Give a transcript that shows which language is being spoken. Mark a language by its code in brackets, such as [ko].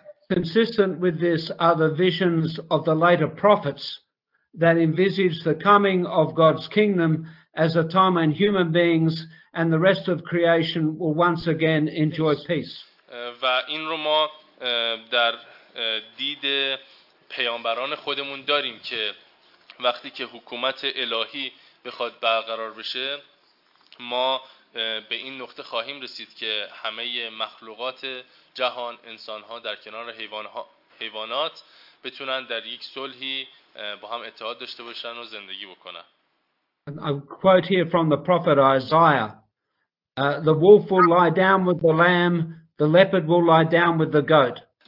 [en] Consistent with this are the visions of the later prophets that envisage the coming of God's kingdom as a time when human beings and the rest of creation will once again enjoy peace. [fa] و این رو ما در دید پیامبران خودمون داریم که وقتی که حکومت الهی بخواد برقرار بشه ما به این نقطه خواهیم رسید که همه مخلوقات جهان، انسان‌ها در کنار حیوانات بتونن در یک صلحی با هم اتحاد داشته باشن و زندگی بکنن. [en] I quote here from the prophet Isaiah. The wolf will lie down with the lamb, the leopard will lie down with the goat.